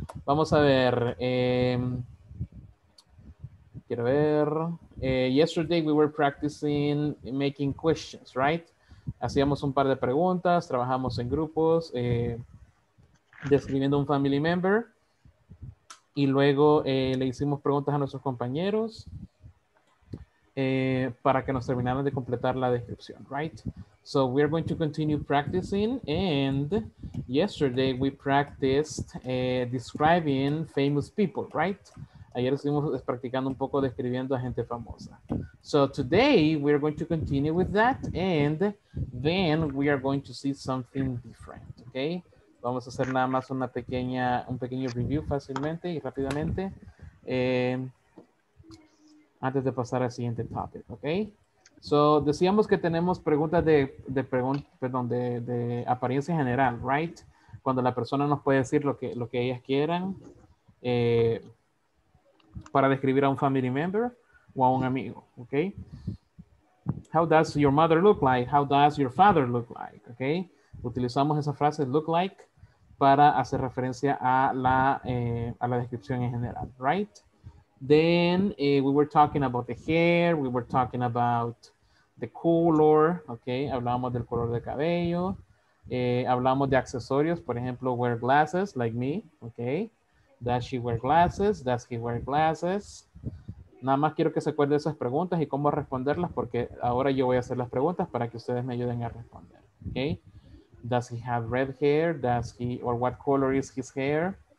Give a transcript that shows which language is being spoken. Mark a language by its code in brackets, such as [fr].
[es] Vamos a ver, quiero ver, [en] yesterday we were practicing making questions, right? [es] Hacíamos un par de preguntas, trabajamos en grupos, describiendo un family member, y luego le hicimos preguntas a nuestros compañeros para que nos terminaran de completar la descripción, right? [en] So we're going to continue practicing, and yesterday we practiced describing famous people, right? [es] Ayer estuvimos practicando un poco describiendo a gente famosa. [en] So today we are going to continue with that and then we are going to see something different, okay? [es] Vamos a hacer nada más una pequeña, un pequeño review fácilmente y rápidamente antes de pasar al siguiente topic, okay? So decíamos que tenemos preguntas de apariencia general, right? Cuando la persona nos puede decir lo que ellas quieran, para describir a un family member o a un amigo, okay? [en] How does your mother look like? How does your father look like? Okay? [es] Utilizamos esa frase look like para hacer referencia a la descripción en general, right? [en] Then we were talking about the hair, we were talking about the color, okay? [es] Hablamos del color de cabello, hablamos de accesorios, por ejemplo, [en] wear glasses like me, [es] okay? [en] Does she wear glasses? [es] Does he wear glasses? Nada más quiero que se acuerde de esas preguntas y cómo responderlas porque ahora yo voy a hacer las preguntas para que ustedes me ayuden a responder, okay? [en] Does he have red hair? Does he, or what color is his hair?